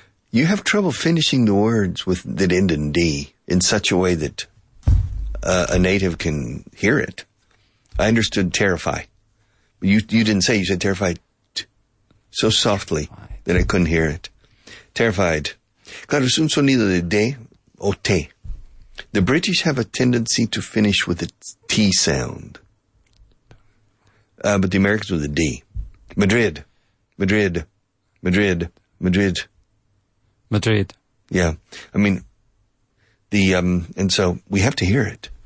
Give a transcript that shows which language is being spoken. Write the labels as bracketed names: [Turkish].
[English] You have trouble finishing the words that end in D in such a way that a native can hear it. I understood terrify. You didn't say, you said terrified so softly that I couldn't hear it. Terrified. [Spanish] Claro, es un sonido de D o T. [English] The British have a tendency to finish with a T sound. But the Americans with a D. Madrid. Madrid. Madrid. Madrid. Madrid. Yeah. I mean, and so we have to hear it.